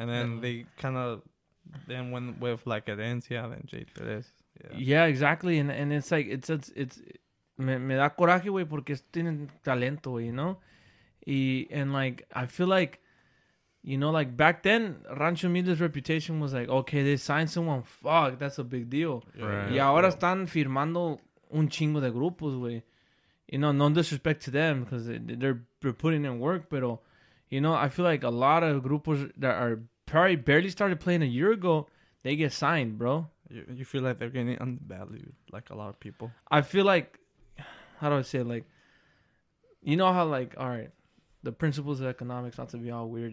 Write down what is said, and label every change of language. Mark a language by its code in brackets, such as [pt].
[en] And then they kind of then went with like Herencia and J3. Yeah, exactly. And it's like, it's [es] me da coraje, güey, porque tienen talento, [en] you know? And like, I feel like, you know, like back then, Rancho Humilde's reputation was like, okay, they signed someone. Fuck, that's a big deal. Right. [es] Y ahora están firmando un chingo de grupos, güey. [en] You know, no disrespect to them because they're putting in work. But, you know, I feel like a lot of grupos that are probably barely started playing a year ago, they get signed, bro. You feel like they're getting undervalued, like a lot of people. I feel like, how do I say it? Like, you know how, like, all right, the principles of economics, not to be all weird.